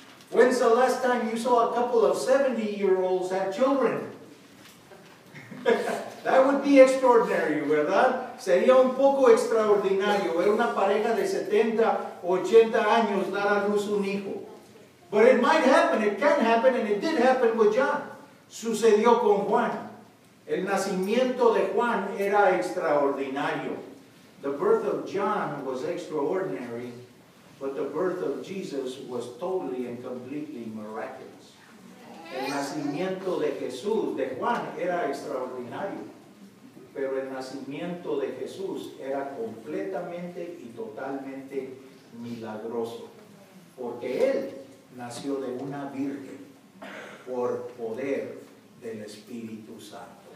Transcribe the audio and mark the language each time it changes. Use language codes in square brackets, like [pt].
[en] When's the last time you saw a couple of 70-year-olds have children? That would be extraordinary, [es] ¿verdad? Sería un poco extraordinario ver una pareja de 70, 80 años dar a luz un hijo. [en] But it might happen, it can happen, and it did happen with John. [es] Sucedió con Juan. El nacimiento de Juan era extraordinario. [en] The birth of John was extraordinary, but the birth of Jesus was totally and completely miraculous. [es] El nacimiento de Jesús, de Juan, era extraordinario, pero el nacimiento de Jesús era completamente y totalmente milagroso, porque él nació de una virgen por poder del Espíritu Santo.